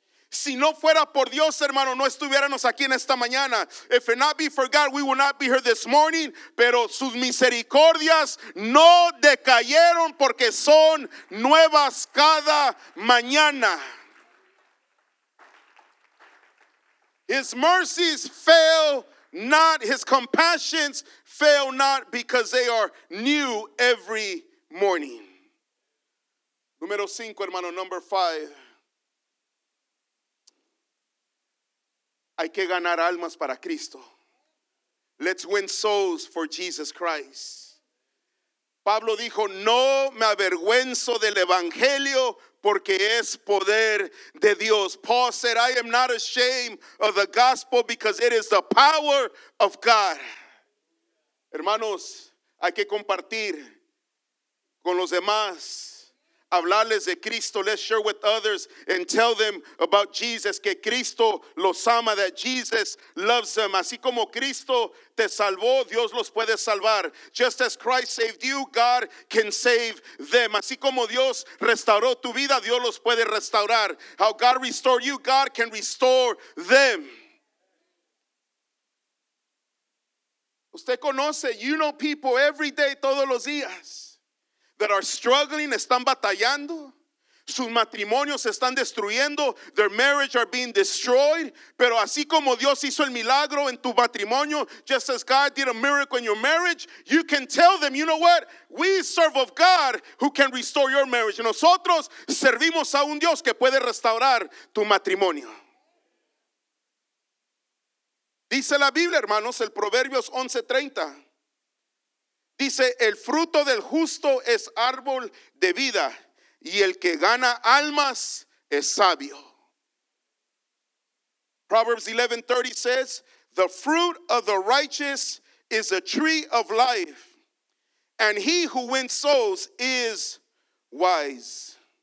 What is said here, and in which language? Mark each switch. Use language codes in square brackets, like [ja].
[es] Si no fuera por Dios, hermano, no estuviéramos aquí en esta mañana. [en] If it not be for God, we would not be here this morning. [es] Pero sus misericordias no decayeron porque son nuevas cada mañana. [en] His mercies fail not, his compassions fail not because they are new every morning. [es] Número cinco, hermano, [en] number five. [es] Hay que ganar almas para Cristo. [en] Let's win souls for Jesus Christ. [es] Pablo dijo, no me avergüenzo del evangelio porque es poder de Dios. [en] Paul said, I am not ashamed of the gospel because it is the power of God. [es] Hermanos, hay que compartir con los demás. Hablarles de Cristo. [en] Let's share with others and tell them about Jesus. [es] Que Cristo los ama. [en] That Jesus loves them. [es] Así como Cristo te salvó, Dios los puede salvar. [en] Just as Christ saved you, God can save them. [es] Así como Dios restauró tu vida, Dios los puede restaurar. [en] How God restored you, God can restore them. [es] Usted conoce, [en] you know people every day, [es] todos los días. [en] That are struggling, [es] están batallando. Sus matrimonios se están destruyendo. [en] Their marriage are being destroyed. [es] Pero así como Dios hizo el milagro en tu matrimonio, [en] just as God did a miracle in your marriage, you can tell them, you know what? We serve of God who can restore your marriage. [es] Nosotros servimos a un Dios que puede restaurar tu matrimonio. Dice la Biblia, hermanos, el Proverbios 11:30. Dice, el fruto del justo es árbol de vida, y el que gana almas es sabio. [en] Proverbs 11:30 says, the fruit of the righteous is a tree of life, and he who wins souls is wise.